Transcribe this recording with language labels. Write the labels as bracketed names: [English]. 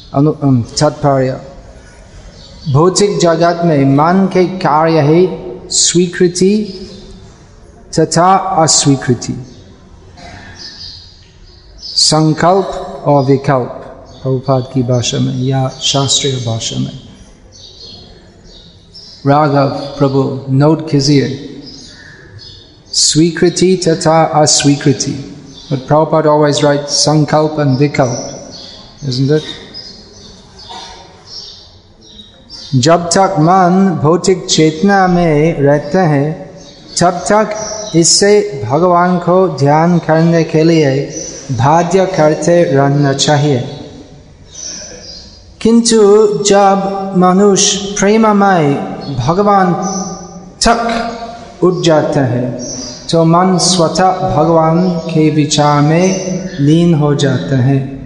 [Hindi] तात्पर्य, भौतिक जगत में मन के कार्य ही स्वीकृति तथा अस्वीकृति, संकल्प और विकल्प, प्रभुपाद की भाषा में या शास्त्रीय भाषा में। राघव प्रभु नोट कीजिए, स्वीकृति तथा अस्वीकृति, [English] but Prabhupada always writes sankalp and vikalp, isn't it? [Hindi] जब तक मन भौतिक चेतना में रहते हैं तब तक इससे भगवान को ध्यान करने के लिए बाध्य करते रहना चाहिए, किंतु जब मनुष्य प्रेममय भगवान तक उठ जाते हैं तो मन स्वतः भगवान के विचार में लीन हो जाते हैं।